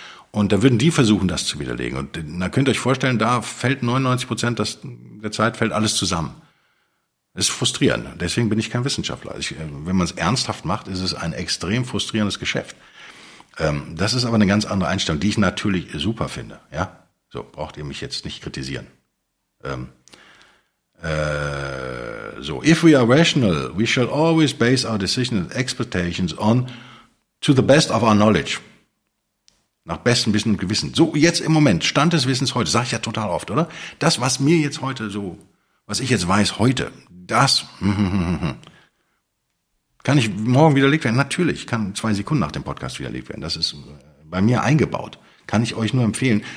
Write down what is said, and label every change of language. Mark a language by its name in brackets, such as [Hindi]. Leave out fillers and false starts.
[German] Und da würden die versuchen, das zu widerlegen. Und da könnt ihr euch vorstellen, da fällt 99% der Zeit fällt alles zusammen. Das ist frustrierend. Deswegen bin ich kein Wissenschaftler. Wenn man es ernsthaft macht, ist es ein extrem frustrierendes Geschäft. Das ist aber eine ganz andere Einstellung, die ich natürlich super finde. Ja, so braucht ihr mich jetzt nicht kritisieren. [English] So, if we are rational, we shall always base our decisions and expectations on to the best of our knowledge. [German] Nach bestem Wissen und Gewissen. So, jetzt im Moment, Stand des Wissens heute, sage ich ja total oft, oder? Das, was mir jetzt heute so, was ich jetzt weiß heute, das, kann ich morgen widerlegt werden? Natürlich, kann 2 Sekunden nach dem Podcast widerlegt werden. Das ist bei mir eingebaut. Kann ich euch nur empfehlen.